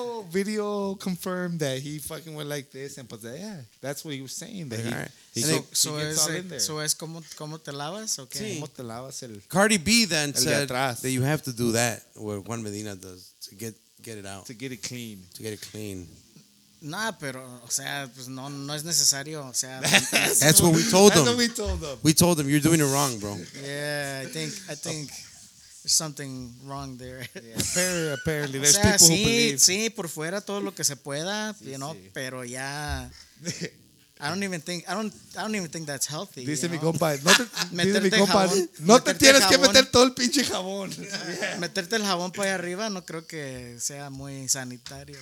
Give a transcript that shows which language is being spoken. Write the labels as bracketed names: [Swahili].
[English] Video confirmed that he fucking went like this. And but yeah, that's what he was saying. That [Spanish] so es como te lavas? Okay. Sí. ¿Cómo te lavas el, [English] Cardi B then said that you have to do that, what Juan Medina does, to get it out. To get it clean. To get it clean. [Spanish] Nah, pero, o sea, pues no, no es necesario. O sea, [English] that's what we told him. That's what we told him. We told him, you're doing it wrong, bro. Yeah, I think. Something wrong there. Yeah. Apparently, there's people who believe. [Spanish] Sí, por fuera todo lo que se pueda, [English] you know. [Spanish] Pero ya, [English] I don't even think that's healthy. [Spanish] Dice, [English] you know? [Spanish] Mi compa, no te, dice mi compa, jabón, no te tienes jabón, que meter todo el pinche jabón. [English] Yeah. [Spanish] Meterte el jabón para allá arriba, no creo que sea muy sanitario.